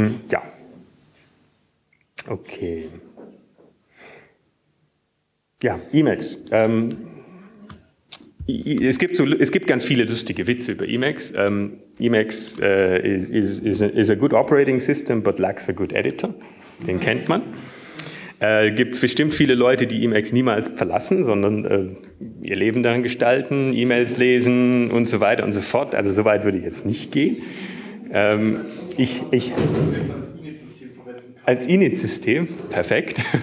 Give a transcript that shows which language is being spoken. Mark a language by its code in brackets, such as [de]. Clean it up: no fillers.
[de] Ja. Okay. Ja, Emacs. Es gibt ganz viele lustige Witze über Emacs. [en] Emacs is a good operating system, but lacks a good editor. [de] Den kennt man. Gibt bestimmt viele Leute, die Emacs niemals verlassen, sondern ihr Leben daran gestalten, E-Mails lesen und so weiter und so fort. Also so weit würde ich jetzt nicht gehen. Ich als Init-System, perfekt.